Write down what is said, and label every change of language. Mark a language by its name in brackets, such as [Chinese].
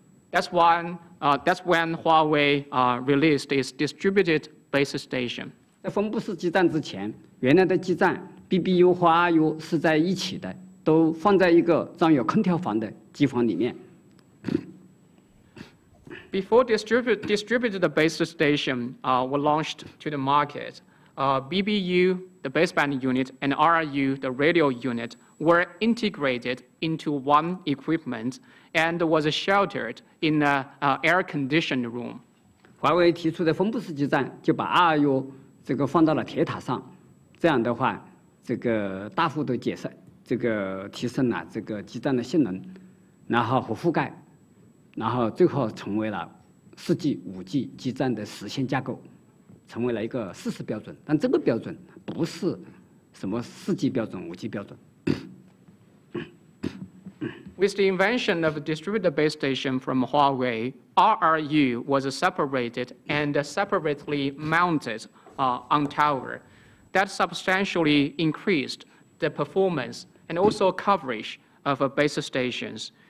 [English] That's when Huawei released its distributed base station. [Chinese] 在分布式基站之前，原来的基站 BBU 和 RU 是在一起的，都放在一个装有空调房的机房里面。 [English] Before distributed base station were launched to the market, BBU, the baseband unit, and RU, the radio unit, were integrated into one equipment and was sheltered in an air-conditioned room. [Chinese] Huawei 提出的分布式基站就把 RU 这个放到了铁塔上，这样的话，这个大幅度提升了这个基站的性能，然后和覆盖，然后最后成为了 4G、5G基站的实现架构，成为了一个40标准，但这个标准不是什么4G标准、5G标准。 [English] With the invention of a distributed base station from Huawei, RRU was separated and separately mounted on tower. That substantially increased the performance and also coverage of base stations.